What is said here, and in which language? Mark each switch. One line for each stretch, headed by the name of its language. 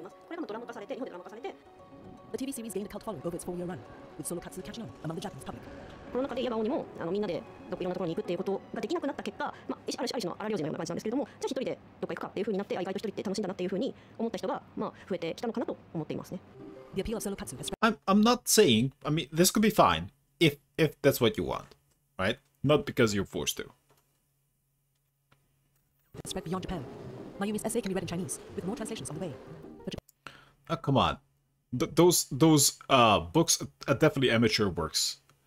English: The TV series gained a cult following over its four-year run, with solo katsu catching on among the Japanese public.
Japanese: この中でイヤバオにもみんなでどこいろんなところに行くっていうことができなくなった結果、まあ、ある種の荒療治のような感じなんですけれども、じゃあ一人でどっか行くかっていうふうになって、意外と一人って楽しんだなっていうふうに思った人が、まあ、増えてきたのかなと思っていますね。
English: The appeal of solo katsu has spread. I'm not saying, I mean, this could be fine if that's what you want, right? Not because you're forced to. Spread beyond Japan. Mayumi's essay can be read in Chinese, with more translations on the way. Oh, come on. Those books are definitely amateur works.